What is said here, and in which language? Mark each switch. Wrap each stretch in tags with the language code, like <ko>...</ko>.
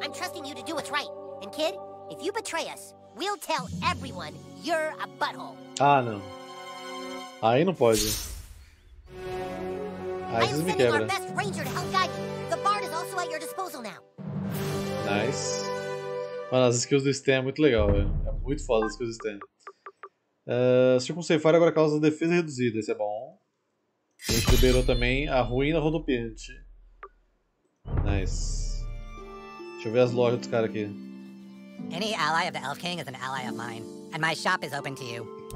<en>I'm trusting you to do what's right. And kid, if you betray us, we'll tell everyone you're a butthole.</en> <pt>Ah, não. Aí não pode. Aí vocês me quebram.</pt> <en>I'm sending our best ranger to help guide you. The bard is also at your disposal now. Nice.</en> <pt>Mano, as skills do Stan é muito legal, velho. É muito foda as skills do Stan. Circunceifar agora causa defesa reduzida. Isso é bom. E liberou também a ruína rodopiante. Nice. Deixa eu ver as lojas dos caras aqui.</pt> <en>Any ally of the Elf King is an ally of mine, and my shop is open to you.</en>